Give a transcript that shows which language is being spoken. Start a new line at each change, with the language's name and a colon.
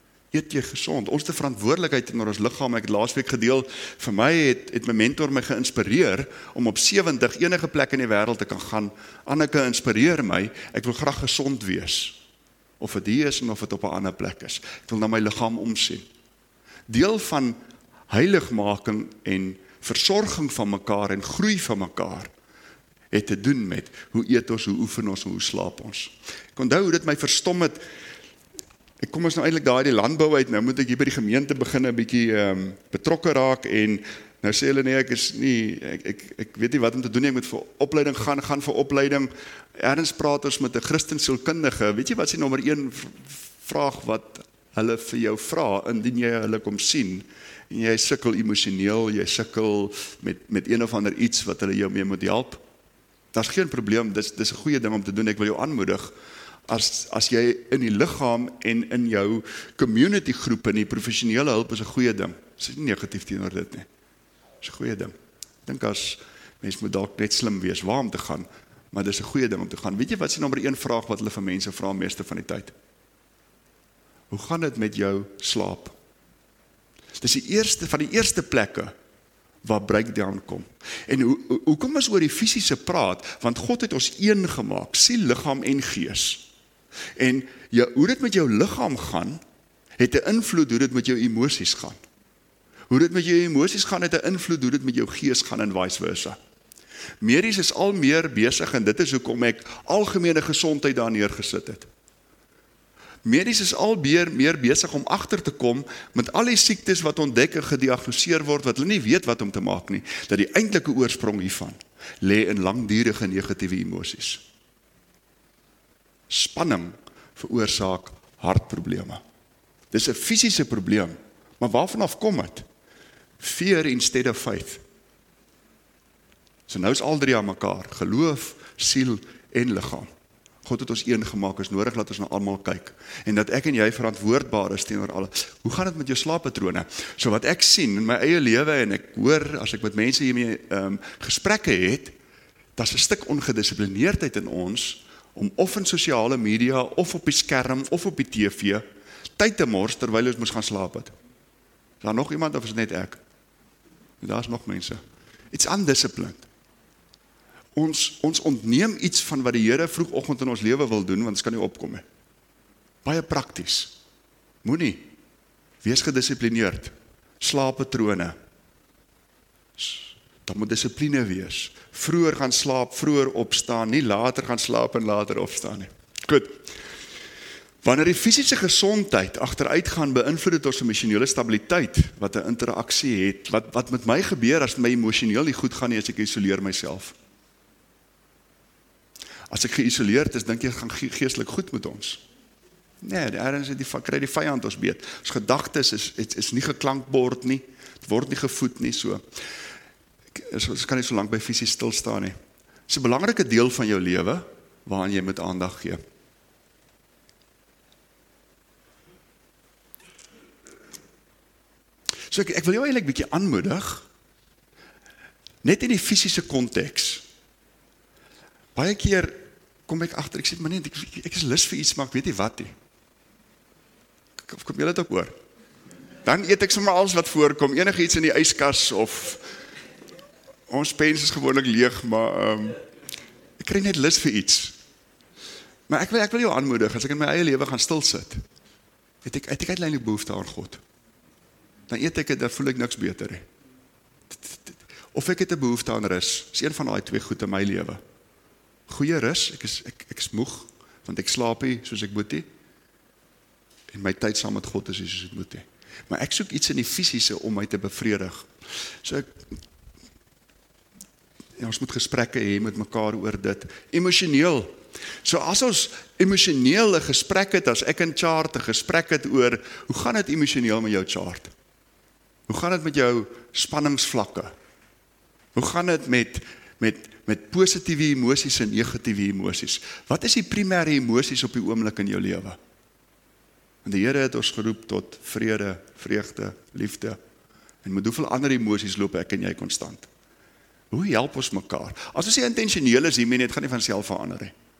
Afrikaans: Eet jy gesond? Ons het verantwoordelikheid in ons liggaam. Ek het laas week gedeel, vir my het my mentor my geïnspireer om op 70 enige plek in die wêreld te kan gaan. Anneke inspireer my, ek wil graag gesond wees. Of het hier is en of het op 'n ander plek is. Ek wil na my liggaam omsien. Deel van heiligmaking en versorging van mekaar en groei van mekaar het te doen met hoe eet ons, hoe oefen ons, hoe slaap ons. Ek onthou hoe dit my verstom het. Ek kom ons nou eintlik daai die landbou uit, nou moet ek hier by die gemeente begin 'n bietjie betrokke raak en nou sê hulle nee, ek is nie, ek weet nie wat om te doen nie, ek moet vir opleiding gaan vir opleiding. Ergens praat ons met 'n Christen sielkundige, weet jy wat is die nommer 1 vraag wat hulle vir jou vra indien jy hulle kom sien? En jy sukkel emosioneel, jy sukkel met een of ander iets wat hulle jou mee moet help. Daar's geen probleem, dis 'n goeie ding om te doen. Ek wil jou aanmoedig, as jy in die liggaam en in jou community groep in die professionele hulp is 'n goeie ding. Dis nie negatief teenoor dit nie. Dis 'n goeie ding. Ek dink as mens moet dalk net slim wees waar om te gaan, maar dis 'n goeie ding om te gaan. Weet jy wat is die nommer 1 vraag wat hulle vir mense vra meeste van die tyd? Hoe gaan dit met jou slaap? Dis die eerste van die eerste plekke waar breakdown kom. En hoekom is oor die fisiese praat? Want God het ons een gemaak, siel, liggaam en gees. En jy, hoe dit met jou liggaam gaan, het 'n invloed hoe dit met jou emosies gaan. Hoe dit met jou emosies gaan, het 'n invloed hoe dit met jou gees gaan en vice versa. Medies is al meer besig en dit is hoekom ek algemene gesondheid daar neergesit het. Medies is al meer besig om agter te kom met al die siektes wat ontdek en gediagnoseer word wat hulle nie weet wat om te maak nie, dat die eintlike oorsprong hiervan lê in langdurige negatiewe emosies. Spanning veroorsaak hartprobleme. Dis 'n fisiese probleem, maar waarvan af kom dit?
English: Fear instead of faith.
Afrikaans: So nou is al drie aan mekaar, geloof, siel en liggaam. God het ons een gemaak, is nodig dat ons na almal kyk en dat ek en jy verantwoordbaar is teenoor alles. Hoe gaan het met jou slaappatrone? So wat ek sien in my eie lewe en ek hoor as ek met mense hiermee gesprekke het, daar's 'n stuk ongedissiplineerdheid in ons om of in sosiale media of op die skerm of op die TV tyd te mors terwyl ons moes gaan slaap het. Is daar nog iemand of is net ek? Daar's nog mense.
English: It's undisciplined.
Afrikaans: Ons ontneem iets van wat die Here vroegoggend in ons lewe wil doen, want ons kan nie opkom nie. Baie prakties. Moenie. Wees gedissiplineerd. Slaappatrone. Daar moet dissipline wees. Vroeger gaan slaap, vroeër opstaan, nie later gaan slaap en later opstaan nie. Goed. Wanneer die fisiese gesondheid agteruit gaan, beïnvloed dit ons emosionele stabiliteit, wat 'n interaksie het. Wat met my gebeur as my emosioneel nie goed gaan nie, as ek isoleer myself? As ek geïsoleerd is, dink jy gaan geestelik goed met ons. Nee, daarin sit die vyand ons beet. Ons gedagtes is nie geklankbord nie. Dit word nie gevoed nie so. Ons kan nie so lank by fisies stil staan nie. Dis 'n belangrike deel van jou lewe waaraan jy moet aandag gee. So ek wil jou eintlik 'n bietjie aanmoedig net in die fisiese konteks. Baie keer kom ek agter, ek sê maar net ek is lus vir iets, maar ek weet nie wat nie. Kom jy dit ook oor? Dan eet ek sommer alles wat voorkom, enige iets in die yskas of ons pens is gewoonlik leeg, maar ek kry net lus vir iets. Maar ek wil jou aanmoedig, as ek in my eie lewe gaan stil sit, het ek uiteindelik behoefte aan God. Dan eet ek het, dan voel ek niks beter. Of ek het 'n behoefte aan rus, is een van die twee goed in my lewe. Goeie rus, ek is moeg, want ek slaap nie soos ek moet nie. En my tyd saam met God is nie soos ek moet nie. Maar ek soek iets in die fisiese om my te bevredig. So ek, ons moet gesprekke hê met mekaar oor dit. Emosioneel. So as ons emosioneel 'n gesprek het, as ek en Chart 'n gesprek het oor, hoe gaan dit emosioneel met jou, Chart? Hoe gaan dit met jou spanningsvlakke? Hoe gaan dit met positiewe emosies en negatiewe emosies? Wat is die primêre emosies op die oomblik in jou lewe? Want die Here het ons geroep tot vrede, vreugde, liefde. En met hoeveel ander emosies loop ek en jy konstant? Hoe help ons mekaar? As ons nie intentioneel is hiermee nie, dit gaan nie van self verander nie.